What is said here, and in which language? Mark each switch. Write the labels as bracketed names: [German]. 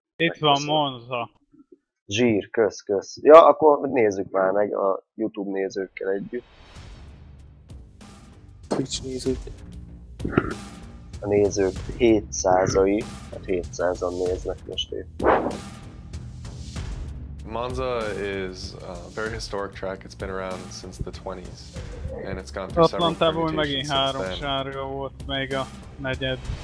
[Hungarian] Itt van Monza. Zsír, kösz, kösz. Ja, akkor nézzük már meg a YouTube nézőkkel együtt. Twitch nézők. A nézők 700-ai, hát 700-an néznek most épp. [English] Monza is a very historic track, it's been around since the 20s. And it's gone through several permutations since then. [Hungarian] Megint három sárga volt, még a negyed.